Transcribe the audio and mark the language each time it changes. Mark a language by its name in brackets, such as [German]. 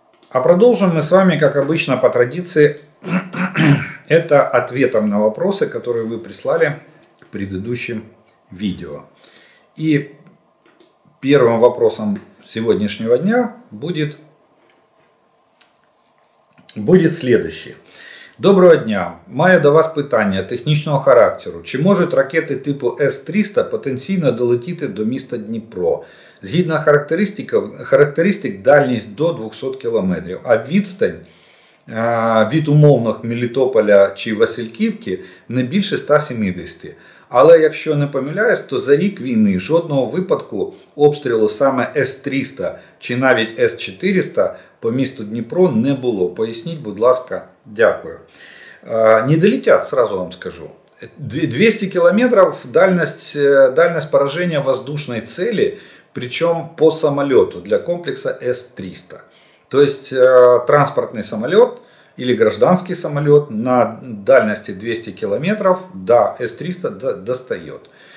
[Russian] А продолжим мы с вами, как обычно, по традиции, это ответом на вопросы, которые вы прислали предыдущем видео. И первым вопросом сегодняшнего дня будет следующее. [Ukrainian] Доброго дня. Маю до вас питання технічного характеру. Чи можуть ракети типу С-300 потенційно долетіти до міста Дніпро? Згідно характеристик, дальність до 200 км, а відстань від умовних Мелітополя чи Васильківки не більше 170. Але якщо не помиляюсь, то за рік війни жодного випадку обстрілу саме С-300 чи навіть С-400 по місту Дніпро не було. Поясніть, будь ласка. Дякую. [Russian] Не долетят, сразу вам скажу. 200 километров дальность поражения воздушной цели, причем по самолету для комплекса С-300. То есть транспортный самолет или гражданский самолет на дальности 200 километров до С-300 достает.